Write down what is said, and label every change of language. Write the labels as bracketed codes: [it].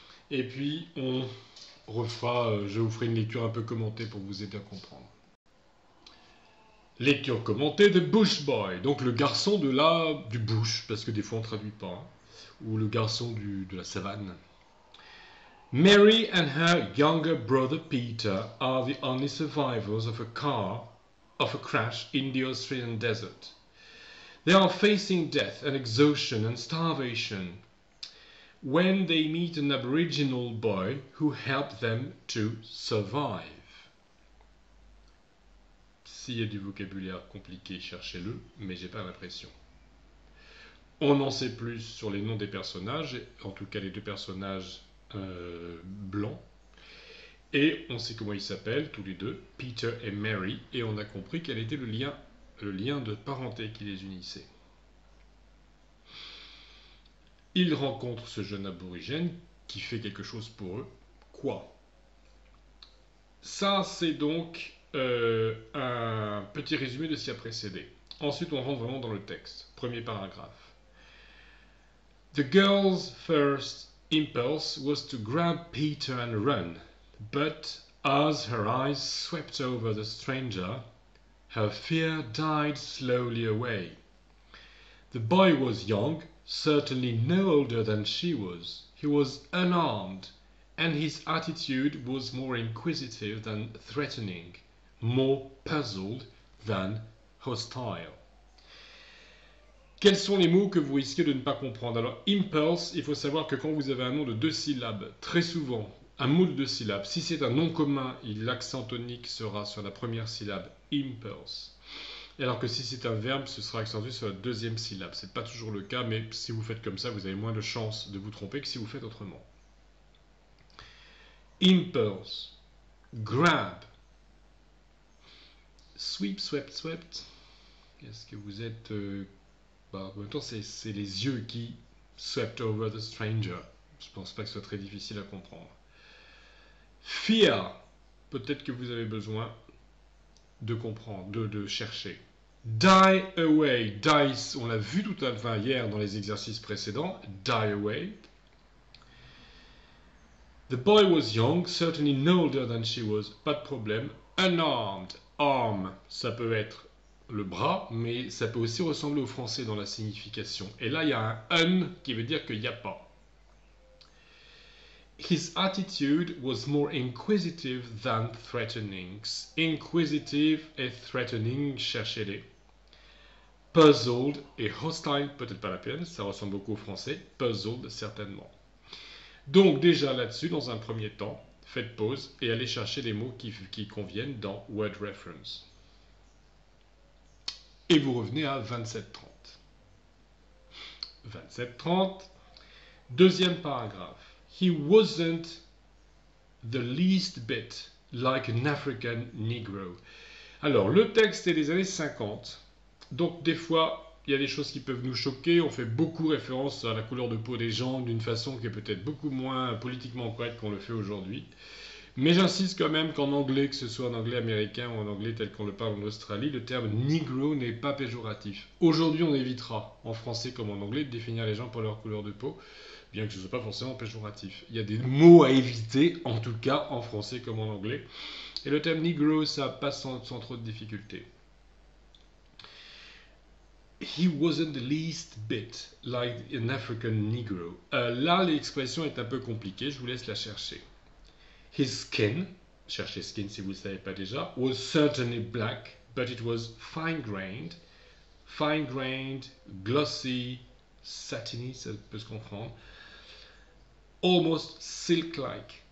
[fr] Et puis, on refera, je vous ferai une lecture un peu commentée pour vous aider à comprendre. Lecture commentée de Bush Boy, donc le garçon de la, du bush, parce que des fois on ne traduit pas, hein, ou le garçon de la savane. [en] Mary and her younger brother Peter are the only survivors of a crash in the Australian desert. They are facing death and exhaustion and starvation when they meet an Aboriginal boy who helped them to survive. [fr] S'il y a du vocabulaire compliqué, cherchez-le, mais j'ai pas l'impression. On en sait plus sur les noms des personnages, en tout cas les deux personnages blancs. Et on sait comment ils s'appellent tous les deux, Peter et Mary, et on a compris quel était le lien de parenté qui les unissait. Ils rencontrent ce jeune aborigène qui fait quelque chose pour eux. Quoi? Ça, c'est donc un petit résumé de ce qui a précédé. Ensuite, on rentre vraiment dans le texte. Premier paragraphe. [en] The girl's first impulse was to grab Peter and run. But as her eyes swept over the stranger, her fear died slowly away. The boy was young, certainly no older than she was. He was unarmed, and his attitude was more inquisitive than threatening, more puzzled than hostile. [fr] Quels sont les mots que vous risquez de ne pas comprendre? Alors, impulse, il faut savoir que quand vous avez un nom de deux syllabes, très souvent, un mot de deux syllabes, si c'est un nom commun, l'accent tonique sera sur la première syllabe, impulse. Alors que si c'est un verbe, ce sera accentué sur la deuxième syllabe. Ce n'est pas toujours le cas, mais si vous faites comme ça, vous avez moins de chances de vous tromper que si vous faites autrement. [en] Impulse. Grab. [fr] Sweep, swept, swept. Est-ce que vous êtes... en même temps, c'est les yeux qui [en] swept over the stranger. [fr] Je ne pense pas que ce soit très difficile à comprendre. Fear. Peut-être que vous avez besoin de comprendre, de chercher. Die away. Dice, on l'a vu tout à l'heure hier dans les exercices précédents. [en] Die away. The boy was young, certainly no older than she was. [fr] Pas de problème. Unarmed. Arm, ça peut être le bras, mais ça peut aussi ressembler au français dans la signification. Et là, il y a un un qui veut dire qu'il n'y a pas. [en] His attitude was more inquisitive than threatening. [fr] Inquisitive et threatening, cherchez-les. Puzzled et hostile, peut-être pas la peine, ça ressemble beaucoup au français. Puzzled, certainement. Donc déjà là-dessus, dans un premier temps, faites pause et allez chercher les mots qui conviennent dans Word Reference. Et vous revenez à 27.30. 27.30. Deuxième paragraphe. [en] He wasn't the least bit like an African Negro. [fr] Alors, le texte est des années 50. Donc, des fois, il y a des choses qui peuvent nous choquer. On fait beaucoup référence à la couleur de peau des gens d'une façon qui est peut-être beaucoup moins politiquement correcte qu'on le fait aujourd'hui. Mais j'insiste quand même qu'en anglais, que ce soit en anglais américain ou en anglais tel qu'on le parle en Australie, le terme Negro n'est pas péjoratif. Aujourd'hui, on évitera, en français comme en anglais, de définir les gens pour leur couleur de peau, bien que ce ne soit pas forcément péjoratif. Il y a des mots à éviter, en tout cas en français comme en anglais. Et le terme Negro, ça passe sans trop de difficultés. [en] He wasn't the least bit like an African Negro. [fr] Là, l'expression est un peu compliquée, je vous laisse la chercher. [en] His skin, [fr] cherchez skin si vous ne savez pas déjà, [en] was certainly black, but it was fine-grained, fine-grained, glossy, satiny, [fr] ça peut se comprendre, [en] almost silk-like.